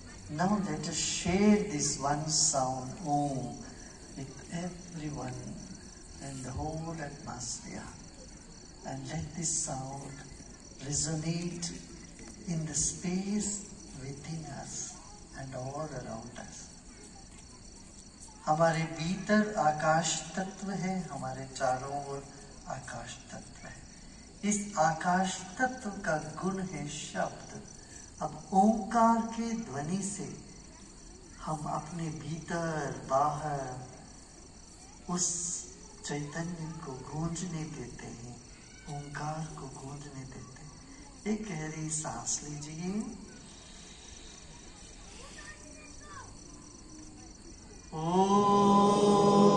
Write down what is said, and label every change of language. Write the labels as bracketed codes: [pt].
[en] Now let us share this one sound, Om, with everyone and the whole atmosphere. And let this sound resonate in the space within us and all around us. [hi] हमारे भीतर आकाश तत्व है, हमारे चारों ओर आकाश तत्व है. इस आकाश तत्व का गुण है शब्द. अब ओंकार के ध्वनि से हम अपने भीतर बाहर उस चैतन्य को गूंजने देते हैं, ओंकार को गूंजने देते. एक गहरी सांस लीजिए, ओ